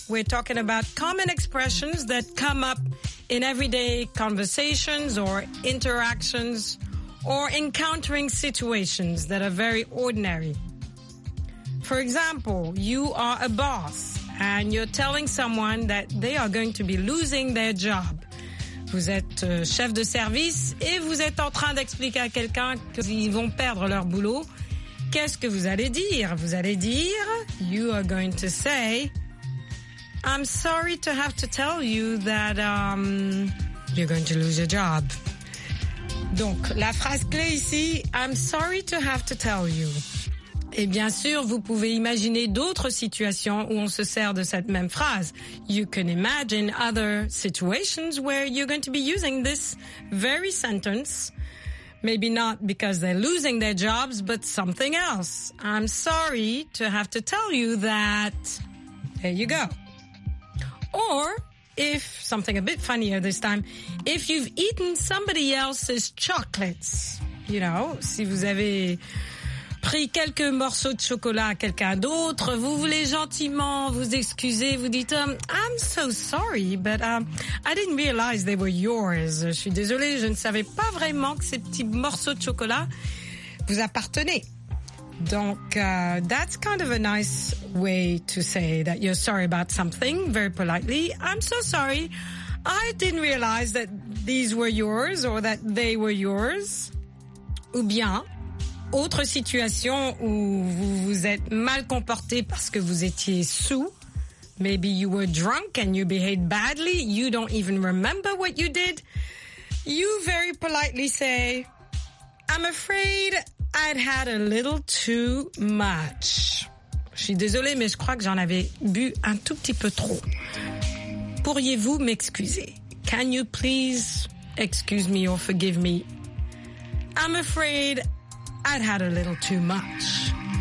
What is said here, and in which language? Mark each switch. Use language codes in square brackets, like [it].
[en] We're talking about common expressions that come up in everyday conversations or interactions or encountering situations that are very ordinary. For example, you are a boss and you're telling someone that they are going to be losing their job. [fr] Vous êtes chef de service et vous êtes en train d'expliquer à quelqu'un qu'ils vont perdre leur boulot. Qu'est-ce que vous allez dire? [en] Vous allez dire, you are going to say, I'm sorry to have to tell you that you're going to lose your job. Donc, la phrase clé ici, I'm sorry to have to tell you. [fr] Et bien sûr, vous pouvez imaginer d'autres situations où on se sert de cette même phrase. [en] You can imagine other situations where you're going to be using this very sentence. Maybe not because they're losing their jobs, but something else. I'm sorry to have to tell you that. There you go. Or, if something a bit funnier this time, if you've eaten somebody else's chocolates, you know, si vous avez pris quelques morceaux de chocolat à quelqu'un d'autre, vous voulez gentiment vous excuser, vous dites I'm so sorry, but I didn't realize they were yours. [fr] Je suis désolée, je ne savais pas vraiment que ces petits morceaux de chocolat vous appartenaient. [en] Donc, that's kind of a nice way to say that you're sorry about something, very politely. I'm so sorry, I didn't realize that these were yours or that they were yours. [fr] Ou bien, autre situation où vous vous êtes mal comporté parce que vous étiez sous. [en] Maybe you were drunk and you behaved badly. You don't even remember what you did. You very politely say, I'm afraid I'd had a little too much. [fr] Je suis désolée, mais je crois que j'en avais bu un tout petit peu trop. Pourriez-vous m'excuser? [en] Can you please excuse me or forgive me? I'm afraid I'd had a little too much.